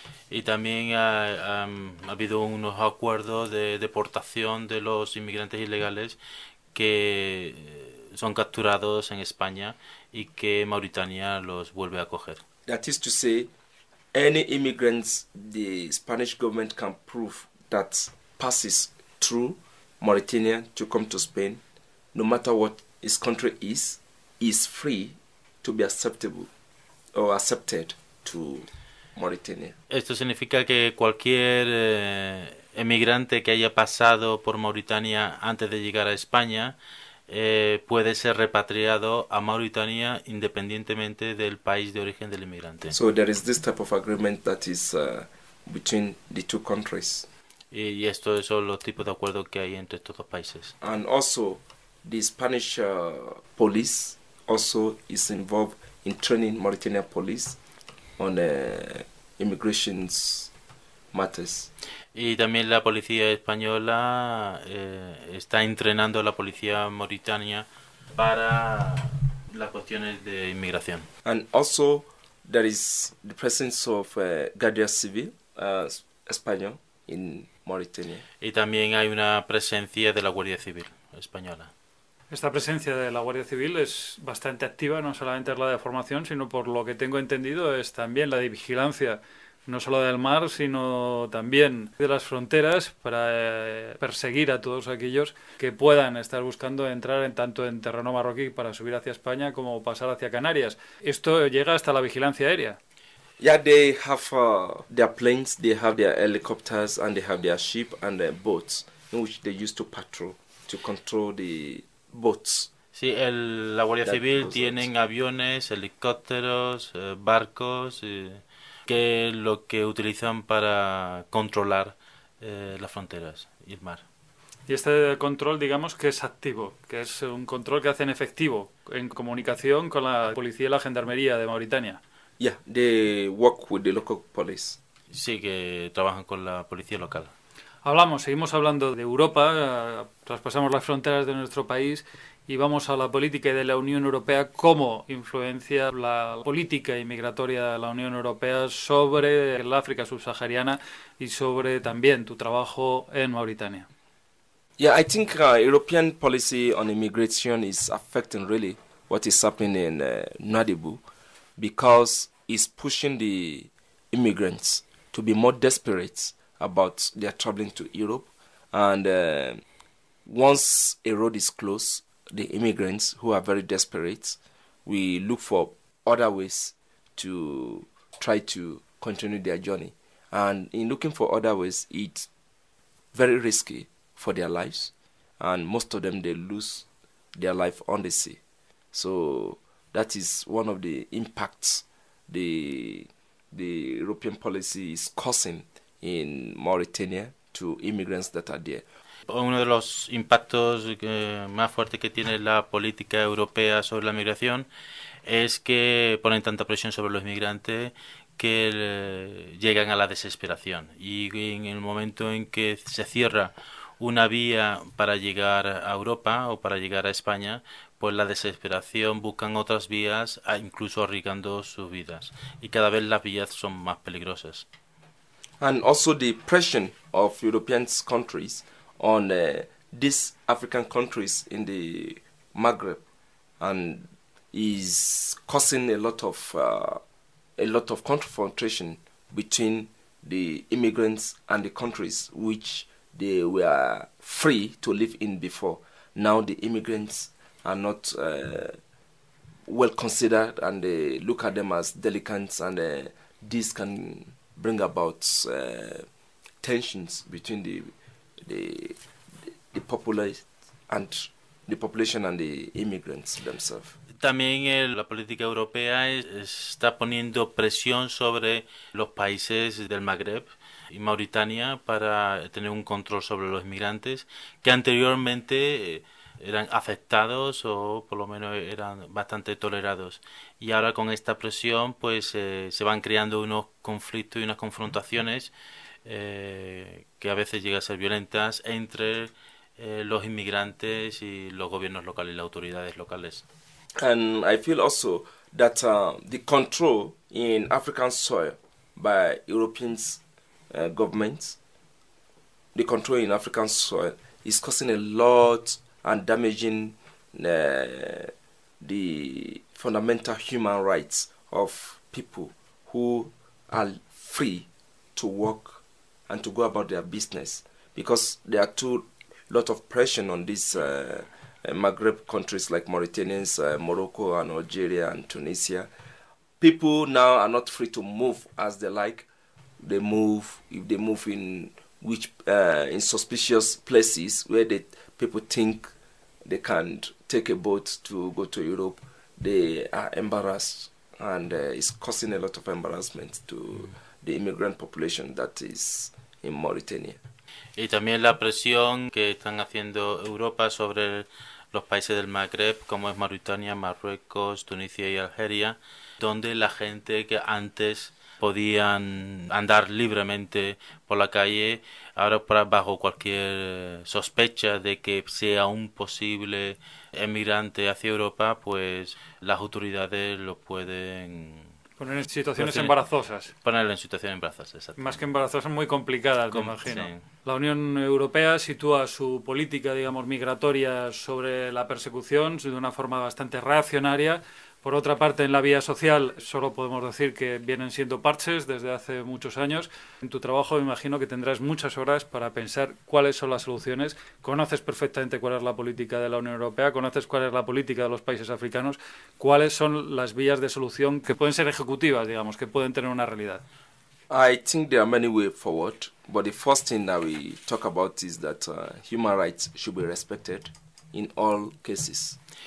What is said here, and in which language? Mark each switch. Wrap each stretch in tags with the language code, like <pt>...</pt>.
<es>Y también ha habido unos acuerdos de deportación de los inmigrantes ilegales que son capturados en España y que Mauritania los vuelve a acoger.</es> <en>That is to say, any immigrants the Spanish government can prove that passes through Mauritania to come to Spain, no matter what his country is free to be acceptable or accepted to Mauritania.</en> <es>Esto significa que cualquier emigrante que haya pasado por Mauritania antes de llegar a España puede ser repatriado a Mauritania independientemente del país de origen del inmigrante.</es> <en>So there is this type of agreement that is between the two countries.</en> <es>Y estos son los tipos de acuerdos que hay entre estos dos países.</es> <en>And also the Spanish police also is involved in training Mauritania police on immigration matters.</en> <es>Y también la policía española está entrenando a la policía mauritania para las cuestiones de inmigración.</es> <en>And also there is the presence of</en> <es>Guardia Civil español</es> <en>in Mauritania.</en> <es>Y también hay una presencia de la Guardia Civil española. Esta presencia de la Guardia Civil es bastante activa, no solamente es la de formación, sino por lo que tengo entendido es también la de vigilancia, no solo del mar, sino también de las fronteras, para perseguir a todos aquellos que puedan estar buscando entrar en tanto en terreno marroquí para subir hacia España como pasar hacia Canarias. Esto llega hasta la vigilancia aérea.</es> <en>Yeah, they have their planes, they have their helicopters, and they have their ship and their boats, in which they used to patrol to control the boats.</en> <es>Sí, la Guardia Civil tienen aviones, helicópteros, barcos, que lo que utilizan para controlar las fronteras y el mar. Y este control, digamos, que es activo, que es un control que hacen efectivo en comunicación con la policía y la gendarmería de Mauritania.</es> <en>Yeah, they work with the local police.</en> <es>Sí, que trabajan con la policía local. Seguimos hablando de Europa, traspasamos las fronteras de nuestro país y vamos a la política de la Unión Europea. ¿Cómo influencia la política inmigratoria de la Unión Europea sobre el África subsahariana y sobre también tu trabajo en Mauritania?</es> <en>Yeah, I think European policy on immigration is affecting really what is happening in Nuadhibu, because it's pushing the immigrants to be more desperate about their traveling to Europe, and once a road is closed, the immigrants who are very desperate, we look for other ways to try to continue their journey. And in looking for other ways, it's very risky for their lives, and most of them, they lose their life on the sea. So That is one of the impacts the European policy is causing in Mauritania to immigrants that are there.</en> <es>Uno de los impactos más fuertes que tiene la política europea sobre la migración es que ponen tanta presión sobre los migrantes que llegan a la desesperación. Y en el momento en que se cierra una vía para llegar a Europa o para llegar a España, pues la desesperación, buscan otras vías, incluso arriesgando sus vidas. Y cada vez las vías son más peligrosas.</es> <en>And also the pressure of European countries on these African countries in the Maghreb, and is causing a lot of confrontation between the immigrants and the countries which they were free to live in before. Now the immigrants are not well considered, and they look at them as delinquents, and this can bring about tensions between the populace and the population and the immigrants themselves.</en> <es>También la política europea está poniendo presión sobre los países del Magreb y Mauritania para tener un control sobre los migrantes que anteriormente eran aceptados o por lo menos eran bastante tolerados, y ahora con esta presión pues se van creando unos conflictos y unas confrontaciones que a veces llega a ser violentas entre los inmigrantes y los gobiernos locales y las autoridades locales.</es> <en>And I feel also that the control in African soil by European governments, the control in African soil is causing a lot and damaging the fundamental human rights of people who are free to work and to go about their business, because there are too lot of pressure on these Maghreb countries like Mauritania, Morocco, and Algeria and Tunisia. People now are not free to move as they like. They move if they move in which in suspicious places where the people think they can take a boat to go to Europe. They are embarrassed, and it's causing a lot of embarrassment to the immigrant population that is in Mauritania.</en> <es>Y también la presión que están haciendo Europa sobre los países del Magreb, como es Mauritania, Marruecos, Tunisia y Algeria, donde la gente que antes podían andar libremente por la calle, ahora bajo cualquier sospecha de que sea un posible emigrante hacia Europa, pues las autoridades lo pueden poner en situaciones embarazosas. Ponerlo en situaciones embarazosas, exacto. Más que embarazosas, muy complicadas, me imagino. Sí. La Unión Europea sitúa su política, digamos, migratoria sobre la persecución de una forma bastante reaccionaria. Por otra parte, en la vía social, solo podemos decir que vienen siendo parches desde hace muchos años. En tu trabajo, me imagino que tendrás muchas horas para pensar cuáles son las soluciones. Conoces perfectamente cuál es la política de la Unión Europea, conoces cuál es la política de los países africanos, cuáles son las vías de solución que pueden ser ejecutivas, digamos, que pueden tener una realidad.</es> <en>I think there are many ways forward, but the first thing that we talk about is that human rights should be respected in all cases.</en>